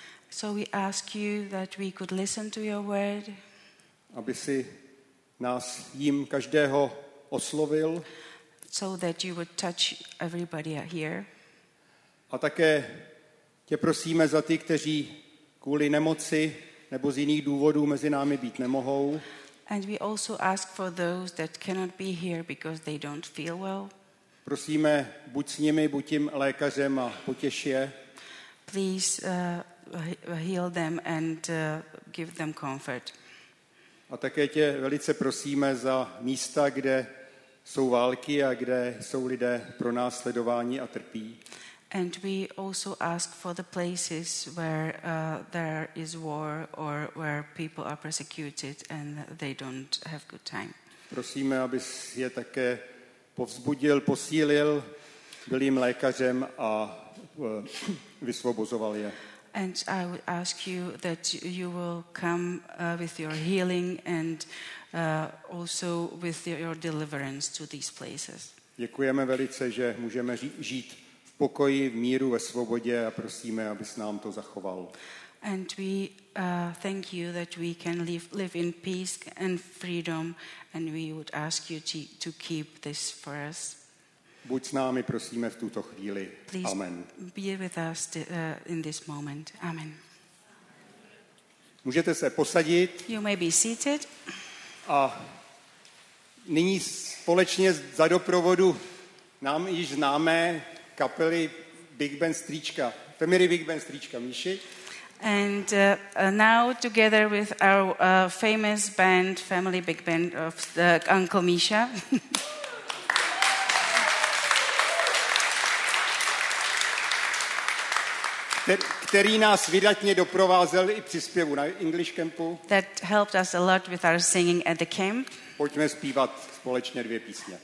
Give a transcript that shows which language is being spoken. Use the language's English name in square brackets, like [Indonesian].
[English] So we ask you that we could listen to your word. [Czech] Aby si nás jim každého oslovil. [English] So that you would touch everybody here. [Czech] A také tě prosíme za ty, kteří kvůli nemoci nebo z jiných důvodů mezi námi být nemohou. [English] And we also ask for those that cannot be here because they don't feel well. [Czech] Prosíme, buď s nimi, buď jim lékařem a potěš je. [English] Please heal them and give them comfort. [Czech] A také tě velice prosíme za místa, kde jsou války a kde jsou lidé pronásledováni a trpí. [English] And we also ask for the places where there is war or where people are persecuted and they don't have good time. [Czech] Prosíme, abys je také povzbudil, posílil, byl jim lékařem a vysvobozoval je. [English] And I would ask you that you will come with your healing and also with your deliverance to these places. [Czech] Děkujeme velice, že můžeme žít v pokoji, v míru, ve svobodě a prosíme, abys nám to zachoval. [English] And we thank you that we can live in peace and freedom and we would ask you to keep this for us. [Czech] Buď s námi, prosíme, v tuto chvíli. [English] Please amen. Be with us in this moment. Amen. [Czech] Můžete se posadit. [English] You may be seated. [Czech] A nyní společně za doprovodu nám již známé kapely Big Band Stříčka. [English] Family Big Band Stříčka, Míši. And now together with our famous band, Family Big Band of Uncle Misha. [Czech] V který nás vydatně doprovázel i při zpěvu na English Campu. [English] That helped us a lot with our singing at the camp. [Czech] Pojďme zpívat společně dvě písně.